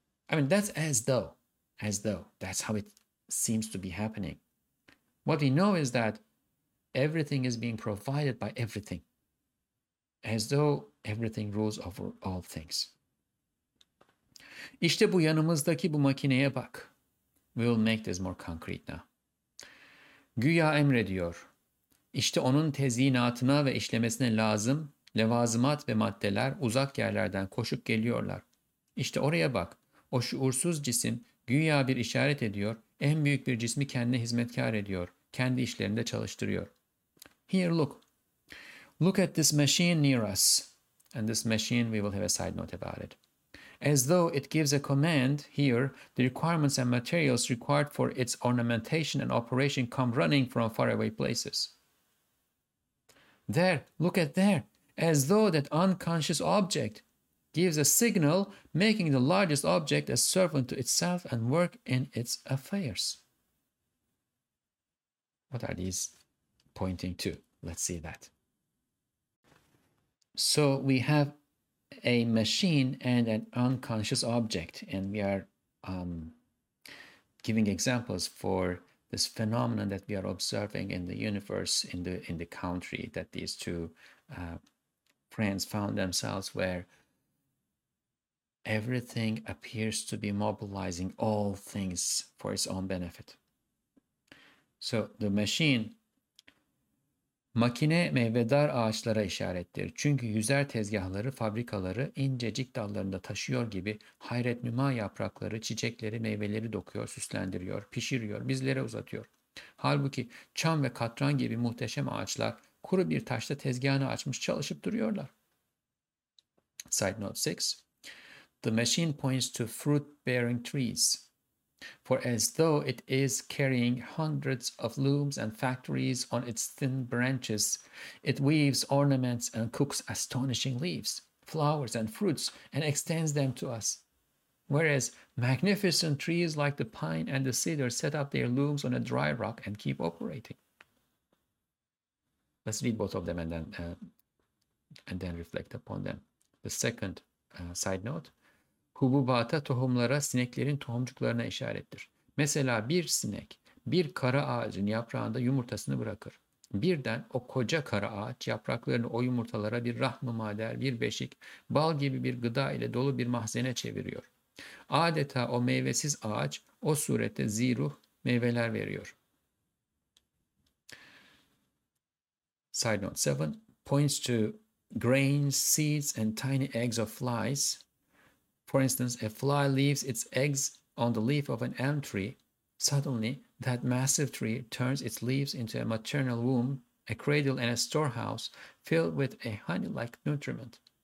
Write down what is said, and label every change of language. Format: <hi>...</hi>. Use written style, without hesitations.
<en>I mean, that's as though, that's how it seems to be happening. What we know is that everything is being provided by everything, as though everything rules over all things.</en> <tr>İşte bu yanımızdaki bu makineye bak.</tr> <en>We'll make this more concrete now.</en> <tr>Güya emrediyor. İşte onun tezyinatına ve işlemesine lazım levazımat ve maddeler uzak yerlerden koşup geliyorlar. İşte oraya bak. O şuursuz cisim güya bir işaret ediyor. En büyük bir cismi kendine hizmetkar ediyor. Kendi işlerinde çalıştırıyor.</tr> <en>Here, look. Look at this machine near us. And this machine, we will have a side note about it. As though it gives a command, here, the requirements and materials required for its ornamentation and operation come running from faraway places. There, look at there, as though that unconscious object gives a signal, making the largest object a servant to itself and work in its affairs. What are these pointing to? Let's see that. So we have a machine and an unconscious object, and we are giving examples for this phenomenon that we are observing in the universe, in the country that these two friends found themselves, where everything appears to be mobilizing all things for its own benefit. So the machine,</en> <tr>makine meyvedar ağaçlara işarettir. Çünkü yüzer tezgahları fabrikaları incecik dallarında taşıyor gibi hayret müma yaprakları, çiçekleri, meyveleri dokuyor, süslendiriyor, pişiriyor, bizlere uzatıyor. Halbuki çam ve katran gibi muhteşem ağaçlar kuru bir taşta tezgahını açmış çalışıp duruyorlar.</tr> <en>Side note 6. The machine points to fruit-bearing trees. For as though it is carrying hundreds of looms and factories on its thin branches, it weaves ornaments and cooks astonishing leaves, flowers, and fruits, and extends them to us. Whereas magnificent trees like the pine and the cedar set up their looms on a dry rock and keep operating. Let's read both of them and then reflect upon them. The second side note.</en> <tr>Hububata tohumlara sineklerin tohumcuklarına işarettir. Mesela bir sinek bir kara ağacın yaprağında yumurtasını bırakır. Birden o koca kara ağaç yapraklarını o yumurtalara bir rahm-ı mader, bir beşik, bal gibi bir gıda ile dolu bir mahzene çeviriyor. Adeta o meyvesiz ağaç o surette ziruh meyveler veriyor.</tr> <en>Side note 7 points to grains, seeds and tiny eggs of flies. For instance, a fly leaves its eggs on the leaf of an elm tree. Suddenly, that massive tree turns its leaves into a maternal womb, a cradle and a storehouse filled with a honey-like nutriment.</en>